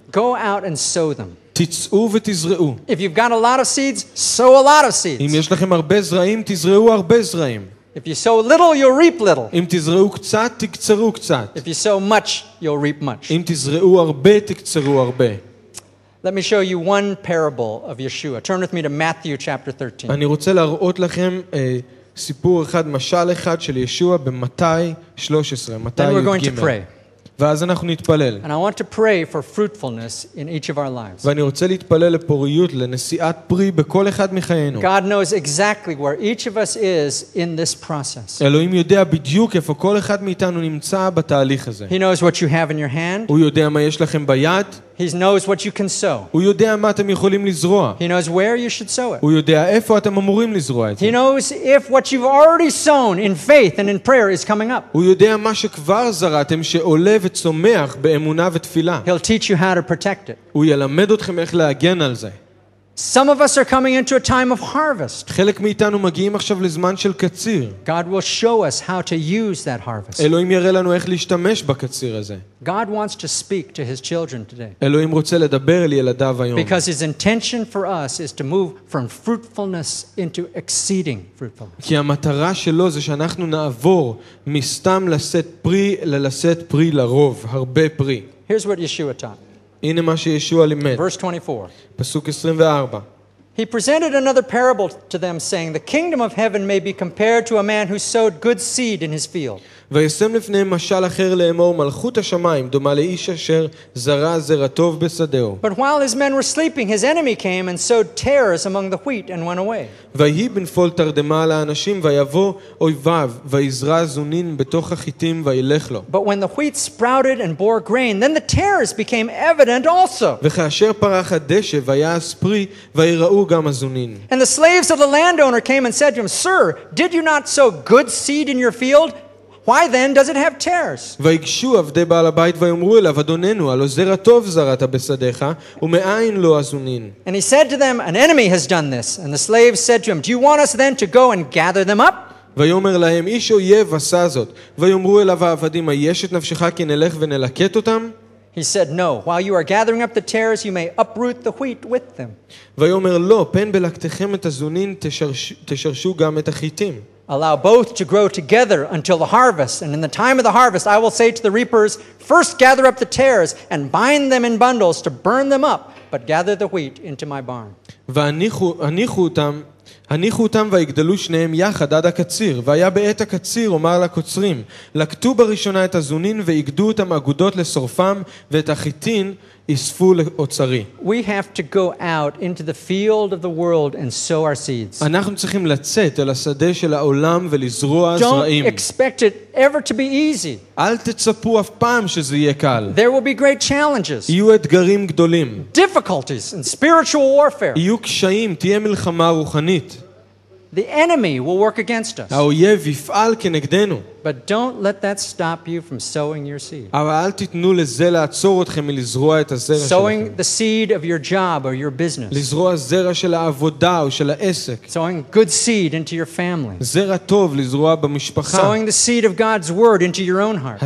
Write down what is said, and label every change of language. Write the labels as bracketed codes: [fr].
[en] Go out and sow them. [he] תצאו ותזרעו. [en] If you've got a lot of seeds, sow a lot of seeds. [he] אם יש לכם הרבה זרעים, תזרעו הרבה זרעים. [en] If you sow little, you'll reap little. [he] אם תזרעו קצת, תקצרו קצת. [en] If you sow much, you'll reap much. [he] אם תזרעו הרבה, תקצרו הרבה. [en] Let me show you one parable of Yeshua. Turn with me to Matthew chapter 13. [he] אני רוצה להראות לכם סיפור אחד, משל אחד של ישוע במתי 13. [en] Then we're going to pray. [he] ואז אנחנו נתפלל. [en] And I want to pray for fruitfulness in each of our lives. [he] ואני רוצה להתפלל לפוריות, לנשיאת פרי בכל אחד מחיינו. [en] God knows exactly where each of us is in this process. [he] אלוהים יודע בדיוק איפה כל אחד מאיתנו נמצא בתהליך הזה. [en] He knows what you have in your hand. [he] הוא יודע מה יש לכם ביד. [en] He knows what you can sow. [he] הוא יודע מה אתם יכולים לזרוע. [en] He knows where you should sow it. [he] הוא יודע איפה אתם אמורים לזרוע את זה. [en] He knows if what you've already sown in faith and in prayer is coming up. [he] הוא יודע מה שכבר זרעתם שעולה וצומח באמונה ותפילה. [en] He'll teach you how to protect it. [he] הוא ילמד אתכם איך להגן על זה. [en] Some of us are coming into a time of harvest. [he] חלק מאיתנו מגיעים עכשיו לזמן של קציר. [en] God will show us how to use that harvest. [he] אלוהים יראה לנו איך להשתמש בקציר הזה. [en] God wants to speak to his children today. [he] אלוהים רוצה לדבר אל ילדיו היום. [en] Because his intention for us is to move from fruitfulness into exceeding fruitfulness. [he] כי המטרה שלו זה שאנחנו נעבור מסתם לשאת פרי ללשאת פרי לרוב, הרבה פרי. [en] Here's what Yeshua taught. [he] הנה מה שישוע לימד. פסוק 24. [en] He presented another parable to them saying the kingdom of heaven may be compared to a man who sowed good seed in his field. [he] וישם לפניהם משל אחר לאמור מלכות השמיים דומה לאיש אשר זרע זרע טוב בשדהו. [en] But while his men were sleeping his enemy came and sowed tares among the wheat and went away. [he] ויהי בנפול תרדמה לאנשים ויבוא אויביו ויזרע זונין בתוך החיטים וילך לו. [en] But when the wheat sprouted and bore grain then the tares became evident also. [he] וכאשר פרח הדשא ויעש פרי ויראו גם הזונין. [en] And the slaves of the landowner came and said to him, "Sir, did you not sow good seed in your field? Why then does it have tares?" [he] ויגשו עבדי בעל הבית ויאמרו אליו, "אדוננו, הלא זרע טוב זרעת בשדך, ומאין לו הזונין?" [en] And he said to them, "An enemy has done this." And the slaves said to him, "Do you want us then to go and gather them up?" [he] ויאמר להם, "איש אויב עשה זאת." ויאמרו אליו העבדים, "היש את נפשך כי נלך ונלקט אותם?" [en] He said, "No, while you are gathering up the tares, you may uproot the wheat with them." [he] ויאמר לו, "פן בלקטכם את הזונין תשרשו גם את החיטים." [en] Allow both to grow together until the harvest, and in the time of the harvest, I will say to the reapers, "First gather up the tares and bind them in bundles to burn them up, but gather the wheat into my barn." [he] הניחו אותם ויגדלו שניהם יחד עד הקציר, והיה בעת הקציר אומר לקוצרים, לקטו בראשונה את הזונין ויגדו אותם אגודות לשורפם ואת החיטין יספו לאוצרי. [en] We have to go out into the field of the world and sow our seeds. [he] אנחנו צריכים לצאת אל השדה של העולם ולזרוע זרעים. [en] Don't expect it ever to be easy. [he] אל תצפו אף פעם שזה יהיה קל. [en] There will be great challenges. [he] יהיו אתגרים גדולים. [en] Difficulties and spiritual warfare. [he] יהיו קשיים, תהיה מלחמה רוחנית. [en] The enemy will work against us. [he] האויב יפעל כנגדנו. [en] But don't let that stop you from sowing your seed. [he] אבל אל תיתנו לזה לעצור אתכם מלזרוע את הזרע שלכם. [en] Sowing the seed of your job or your business. [he] לזרוע זרע של העבודה או של העסק. [en] Sowing good seed into your family. [he] זרע טוב לזרוע במשפחה. [en] Sowing the seed of God's word into your own heart.